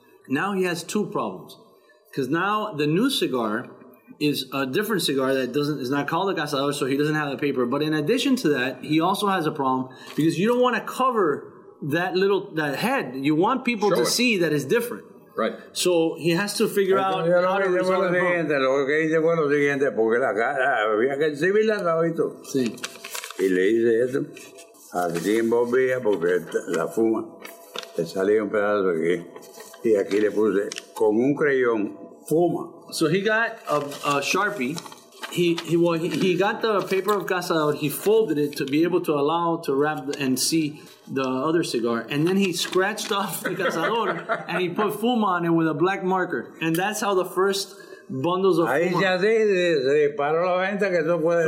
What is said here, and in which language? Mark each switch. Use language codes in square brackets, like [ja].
[en] Now he has two problems. Because now the new cigar is a different cigar that is not called the Cazador, so he doesn't have the paper. But in addition to that, he also has a problem because you don't want to cover that head. You want people to see that it's different. Right. So he has to figure out how to resolve the problem. [es] Lo que dice fue lo siguiente, porque la cara había que exhibirla, Rabito. Sí. Y le dice esto, así envolvía porque la fuma, le salía un pedazo aquí. Y aquí le puse, con un crayón, fuma. [en] So he got a Sharpie. He got the paper of Cazador. He folded it to be able to allow to wrap and see the other cigar. And then he scratched off the Cazador and he put fuma on it with a black marker. And that's how the first bundles of [es] ahí fuma. Se disparó la venta que no puede